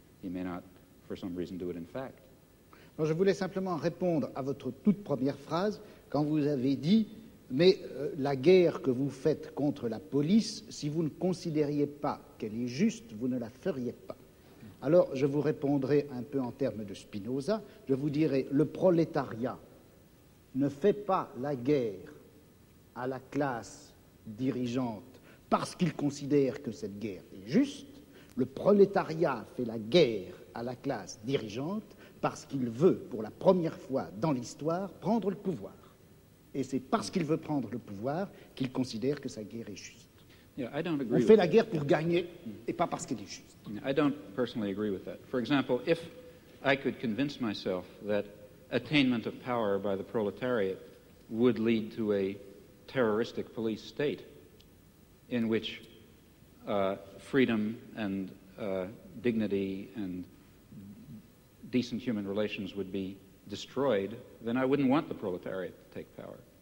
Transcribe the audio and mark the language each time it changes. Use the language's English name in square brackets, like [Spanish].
[English] He may not, for some reason, do it in fact. [French] Alors, je voulais simplement répondre à votre toute première phrase quand vous avez dit, mais la guerre que vous faites contre la police, si vous ne considériez pas qu'elle est juste, vous ne la feriez pas. Alors, je vous répondrai un peu en termes de Spinoza. Je vous dirai, le prolétariat ne fait pas la guerre à la classe dirigeante parce qu'il considère que cette guerre est juste. Le prolétariat fait la guerre à la classe dirigeante parce qu'il veut, pour la première fois dans l'histoire, prendre le pouvoir. Et c'est parce qu'il veut prendre le pouvoir qu'il considère que sa guerre est juste. [English] Yeah, I don't agree. [French] On fait la guerre pour gagner et pas parce qu'elle est juste. [English] I don't personally agree with that. For example, if I could convince myself that attainment of power by the proletariat would lead to a terroristic police state in which freedom and dignity and decent human relations would be destroyed, then I wouldn't want the proletariat to take power.